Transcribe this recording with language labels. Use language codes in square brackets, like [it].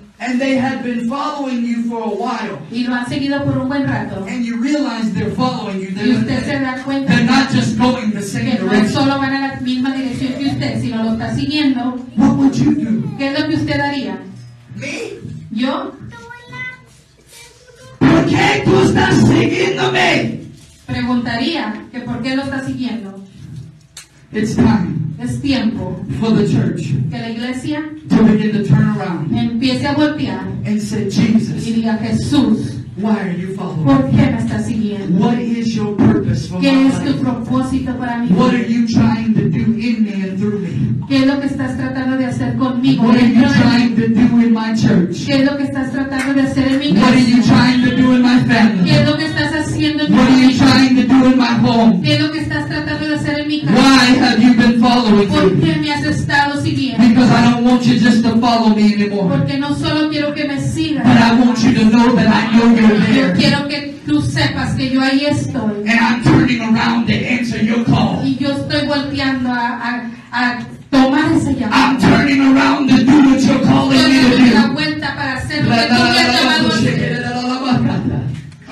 [en] And they had been following you for a while. [es] Y lo han seguido por un buen rato. [en] And you realize they're following you. They're, [es] y usted se da cuenta. [en] They're not just going the same direction. [es] No solo van a la misma dirección que usted, sino lo está siguiendo. [en] What would you do? [es] ¿Qué es lo que usted haría? [en] Me? [es] Yo? ¿Por qué tú estás siguiéndome? Preguntaría que por qué lo está siguiendo. [en] It's time. [es] Es tiempo [en] for the church [es] que la iglesia [en] to begin to turn around [es] empiece a voltear [en] and say, Jesus, [es] y diga Jesús, [en] why are you following? [es] ¿Por qué me estás siguiendo? [en] What is your purpose for [es] ¿qué [en] my [es] es [en] life? [es] Tu propósito para mí? [en] What are you trying to do in me and through me? [es] ¿Qué es lo que estás tratando de hacer conmigo? [en] What are you trying to do in my church? [es] ¿Qué es lo que estás tratando de hacer en mi casa? [en] What are you trying to do in my family? [es] ¿Qué es lo que estás haciendo en mi casa? [en] What are you trying to do in my home? [es] ¿Qué es lo que estás tratando de hacer en mi casa? [en] Why have you been following me? [es] ¿Por qué me has estado siguiendo? [en] Because I don't want you just to follow me anymore. [es] Porque no solo quiero que me sigas. [en] But I want you to know that I know you're there. [es] Yo quiero que tú sepas que yo ahí estoy. [en] And I'm turning around to answer your call. [es] Y yo estoy volteando a tomar ese llamado. [en] I'm turning around to do what you're calling me to do. [es] La vuelta para hacer lo que tú me has llamado a hacer.